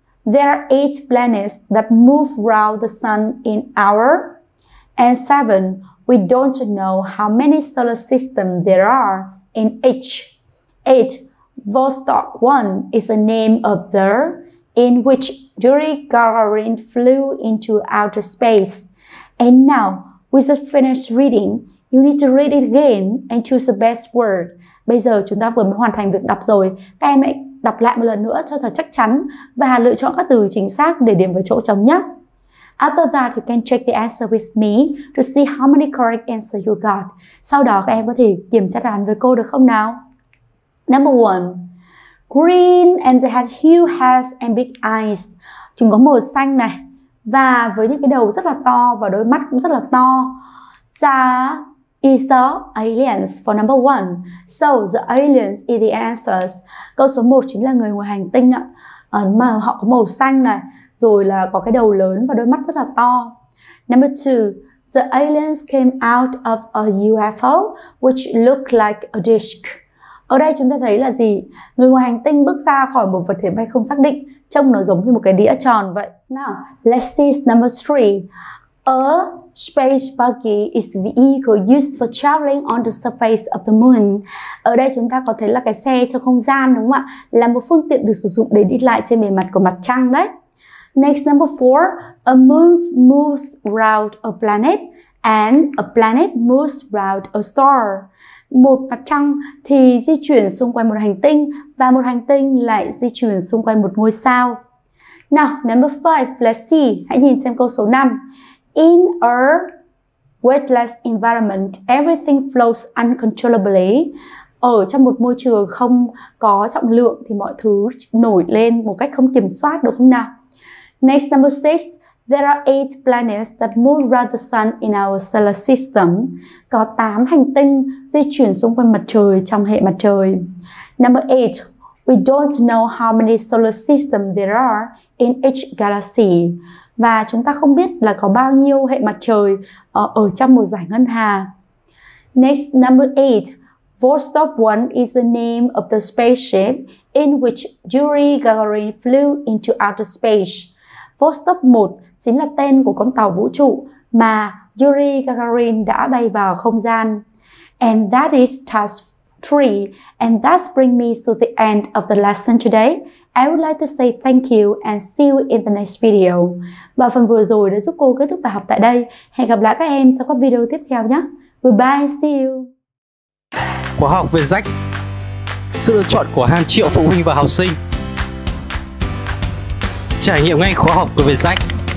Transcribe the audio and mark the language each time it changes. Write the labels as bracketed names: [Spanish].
[English] There are 8 planets that move around the sun in our. And 7. We don't know how many solar systems there are in each. 8. Vostok 1 is the name of the in which Yuri Gagarin flew into outer space. And now, with the finished reading, you need to read it again and choose the best word. [Vietnamese] Bây giờ chúng ta vừa mới hoàn thành việc đọc rồi. Các em hãy đọc lại một lần nữa cho thật chắc chắn và lựa chọn các từ chính xác để điểm vào chỗ trống nhé. [English] After that, you can check the answer with me to see how many correct answers you got. [Vietnamese] Sau đó các em có thể kiểm tra đáp án với cô được không nào? [English] Number one, green and they had huge heads and big eyes. [Vietnamese] Chúng có màu xanh này và với những cái đầu rất là to và đôi mắt cũng rất là to. [English] Ra is the aliens for number one. So the aliens is the answers. [Vietnamese] Câu số 1 chính là người ngoài hành tinh ạ. Mà họ có màu xanh này, rồi là có cái đầu lớn và đôi mắt rất là to. [English] Number two, the aliens came out of a UFO which looked like a disc. [Vietnamese] Ở đây chúng ta thấy là gì? Người ngoài hành tinh bước ra khỏi một vật thể bay không xác định, trông nó giống như một cái đĩa tròn vậy. [English] Now, let's see number three. A space buggy is the vehicle used for traveling on the surface of the moon. [Vietnamese] Ở đây chúng ta có thấy là cái xe trong không gian đúng không ạ? Là một phương tiện được sử dụng để đi lại trên bề mặt của mặt trăng đấy. [English] Next, number four. A moon moves round a planet and a planet moves round a star. [Vietnamese] Một mặt trăng thì di chuyển xung quanh một hành tinh và một hành tinh lại di chuyển xung quanh một ngôi sao. [English] Now, number five, let's see. [Vietnamese] Hãy nhìn xem câu số 5. [English] In a wetless environment, everything flows uncontrollably. [Vietnamese] Ở trong một môi trường không có trọng lượng thì mọi thứ nổi lên một cách không kiểm soát, đúng không nào? [English] Next, number six. There are 8 planets that move around the sun in our solar system. [Vietnamese] Có 8 hành tinh di chuyển xung quanh mặt trời trong hệ mặt trời. [English] Number 8. We don't know how many solar systems there are in each galaxy. [Vietnamese] Và chúng ta không biết là có bao nhiêu hệ mặt trời ở trong một dải ngân hà. [English] Next, number 8. Vostok 1 is the name of the spaceship in which Yuri Gagarin flew into outer space. [Vietnamese] Vostok 1 chính là tên của con tàu vũ trụ mà Yuri Gagarin đã bay vào không gian. [English] And that is task 3. And that brings me to the end of the lesson today. I would like to say thank you and see you in the next video. [Vietnamese] Và phần vừa rồi đã giúp cô kết thúc bài học tại đây. Hẹn gặp lại các em trong các video tiếp theo nhé. [English] Goodbye, see you. [Vietnamese] Khóa học VietJack, sự lựa chọn của hàng triệu phụ huynh và học sinh. Trải nghiệm ngay khóa học của VietJack.